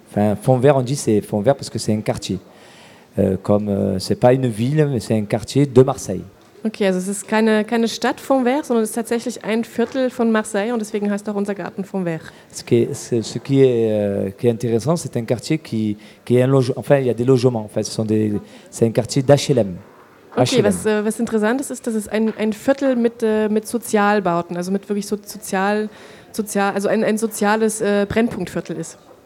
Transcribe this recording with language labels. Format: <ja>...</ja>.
<fr>Enfin, Fontvert, on dit c'est Fontvert parce que c'est un quartier. C'est pas une ville, mais c'est un quartier de Marseille.</fr> <de>Okay, also es ist keine Stadt Fontvert, sondern es ist tatsächlich ein Viertel von Marseille, und deswegen heißt auch unser Garten Fontvert.</de> <fr>Ce qui est intéressant, c'est un quartier qui est un logement. Enfin, il y a des logements. En fait, c'est un quartier d'HLM.</fr> <de>Okay, was interessant ist, dass es ein Viertel mit Sozialbauten, also mit wirklich sozial, also ein soziales Brennpunktviertel ist.</de>